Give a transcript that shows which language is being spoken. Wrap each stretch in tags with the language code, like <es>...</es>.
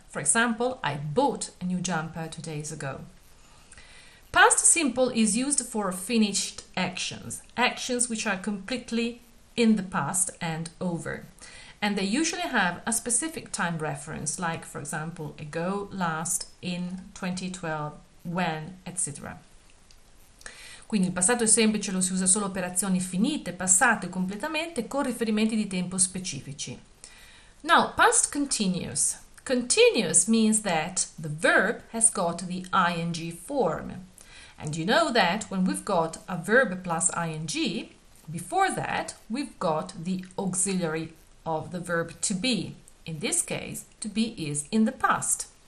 <en>For example, I bought a new jumper 2 days ago. Past simple is used for finished actions, actions which are completely in the past and over. And they usually have a specific time reference, like, for example, ago, last, in, 2012, when, etc.</en> <it>Quindi il passato semplice lo si usa solo per azioni finite, passate completamente, con riferimenti di tempo specifici.</it> <en>Now, past continuous. Continuous means that the verb has got the ing form. And you know that when we've got a verb plus ing, before that we've got the auxiliary of the verb to be. In this case, to be is in the past.</en>